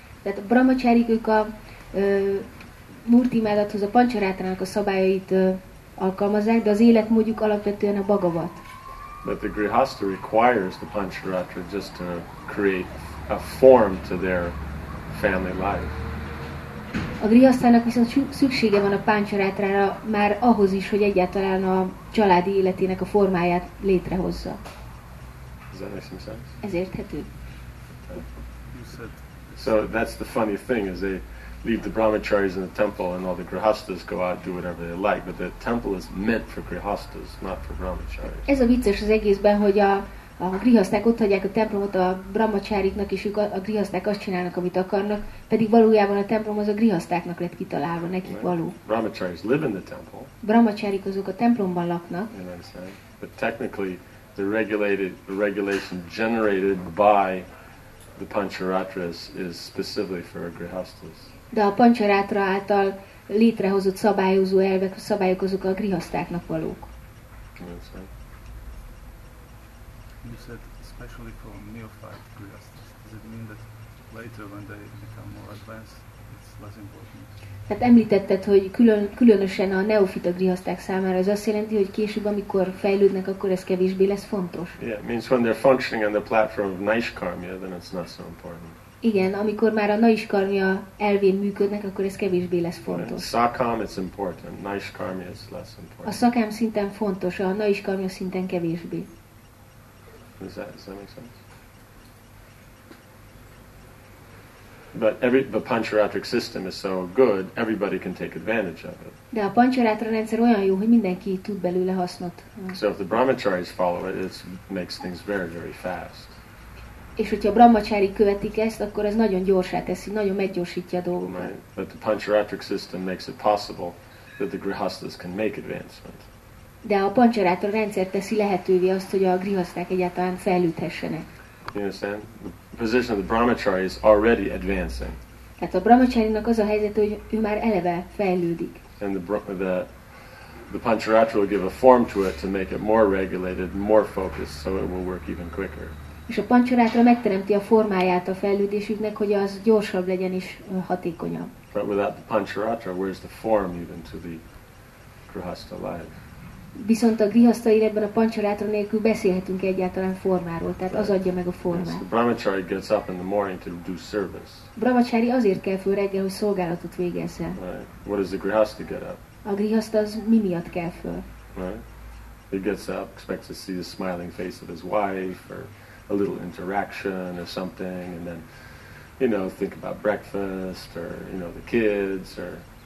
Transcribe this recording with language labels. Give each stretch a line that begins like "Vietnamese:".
Hungarian: Tehát a brahmacharik, ők a Murti imádathoz a Pancharatrának a szabályait alkalmazzák, de az életmódjuk alapvetően a Bhagavat.
English: But the grihastha requires the Pancharatra just to create a form to their family life.
Hungarian: A grihasztának viszont szüksége van a páncsarátrára már ahhoz is, hogy egyáltalán a családi életének a formáját létrehozza. Ez érthető.
English: So that's the funny thing, is they leave the brahmacharis in the temple and all the grihasthas go out and do whatever they like, but the temple is meant for grihasthas, not for brahmacharis.
Hungarian: Ez a vicces az egészben, hogy a grihaszták ott hagyják a templomot a brahmacháriknak, és ők a grihaszták azt csinálnak, amit akarnak, pedig valójában a templom az a grihasztáknak lett kitalálva, nekik
English: right.
Hungarian: Való.
English: Brahmacharis live in the temple.
Hungarian: Brahmacharik azok a templomban laknak.
English: But technically, the regulation generated by the pancharatra is specifically for grihasthas.
Hungarian: De a pancharatra által létrehozott szabályozó elvek, szabályok azok a grihasztáknak valók.
English: You said especially for neophyte grihasthas. Does it mean that later when they become more advanced, it's less important?
Hungarian: Tehát említetted, hogy különösen a neofita grihaszták számára ez azt jelenti, hogy később, amikor fejlődnek, akkor ez kevésbé lesz fontos.
English: Yeah, it means when they're functioning on the platform of naishkarmya, then it's not so important.
Hungarian: Igen, amikor már a naishkarmya elvén működnek, akkor ez kevésbé lesz fontos.
English: Sakam is important, naishkarmya is less important.
Hungarian: A sakam szinten fontos, a naishkarmya szinten kevésbé.
English: Does that make sense? But every the pancharatric system is so good, everybody can take advantage of it.
Hungarian: De a pancharatra rendszer olyan jó, hogy mindenki tud belőle hasznot.
English: So if the brahmacharis follow it, it makes things very, very fast.
Hungarian: És hogyha a brahmacsári követik ezt, akkor ez nagyon gyorsá teszi, nagyon meggyorsítja a dolgokat.
English: Right. But the pancharatric system makes it possible that the grihasthas can make advancement.
Hungarian: De a pancharatra rendszer teszi lehetővé azt, hogy a grihaszták egyáltalán fejlődhessenek.
English: You understand? The position of the brahmachari is already advancing.
Hungarian: Tehát a brahmacharinak az a helyzet, hogy ő már eleve fejlődik.
English: And the pancharatra will give a form to it to make it more regulated, more focused, so it will work even quicker.
Hungarian: És a pancharatra megteremti a formáját a fejlődésüknek, hogy az gyorsabb legyen és hatékonyabb.
English: But without the pancharatra, where is the form even to the grihastha life?
Hungarian: Viszont a grihastha életben a pancharatra nélkül beszélhetünk egyáltalán formáról, tehát az adja meg a formát.
English: The brahmachari gets up in the morning to do service.
Hungarian: Brahmachari azért kell föl reggel, hogy szolgálatot végezzen.
English: Right. What does the grihastha get up?
Hungarian: A grihastha az mi miatt kell föl?
English: Right. He gets up, expects to see the smiling face of his wife, or a little interaction or something, and then, you know, think about breakfast, or, you know, the kids, or...